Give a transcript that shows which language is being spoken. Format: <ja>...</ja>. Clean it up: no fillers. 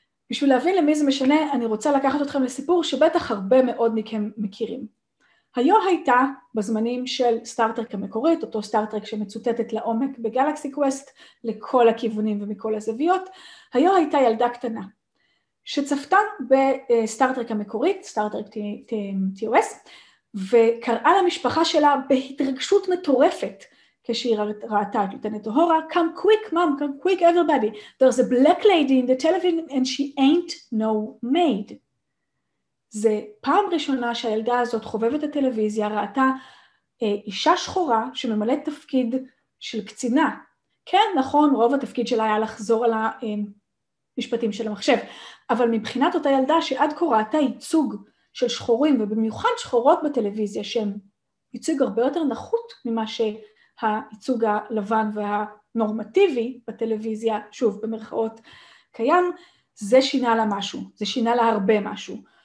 <he>בשביל להבין למי זה משנה, אני רוצה לקחת אתכם לסיפור שבטח הרבה מאוד מכם מכירים. היו הייתה בזמנים של סטארטרק המקורית, אותו סטארטרק שמצוטטת לעומק בגלקסי קווסט, לכל הכיוונים ומכל הזוויות, היו הייתה ילדה קטנה. שצפתה בסטארטרק המקורית, סטארטרק TOS, וקראה למשפחה שלה בהתרגשות מטורפת, כשהיא ראתה את לוטנט אוהורה,</he> <en>come quick mom, come quick everybody, there's a black lady in the television and she ain't no maid.</en> <he>זה פעם ראשונה שהילדה הזאת חובבת את הטלוויזיה, ראתה אישה שחורה שממלאת תפקיד של קצינה. כן, נכון, רוב התפקיד שלה היה לחזור על המשפטים של המחשב, אבל מבחינת אותה ילדה שעד כה ראתה ייצוג של שחורים, ובמיוחד שחורות בטלוויזיה, שהם ייצוג הרבה יותר נחות ממה שהייצוג הלבן והנורמטיבי בטלוויזיה, שוב, במרכאות קיים, זה שינה לה משהו, זה שינה לה הרבה משהו.</he>